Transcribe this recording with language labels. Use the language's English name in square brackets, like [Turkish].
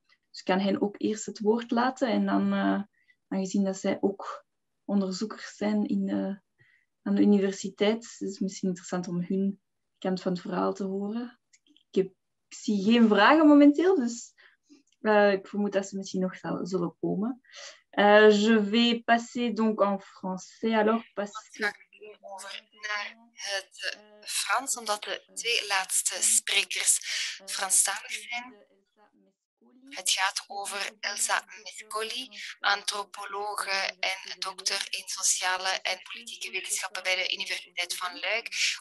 [Dutch] Dus ik kan hen ook eerst het woord laten. En dan, aangezien dat zij ook onderzoekers zijn aan de universiteit, is het misschien interessant om hun kant van het verhaal te horen. Ik zie geen vragen momenteel, dus ik vermoed dat ze misschien nog zullen komen. [French] Je vais passer donc en français. Alors, [Dutch] over naar het Frans, omdat de twee laatste sprekers Franstalig zijn. Het gaat over Elsa Mescoli, antropologe en dokter in sociale en politieke wetenschappen bij de Universiteit van Luik.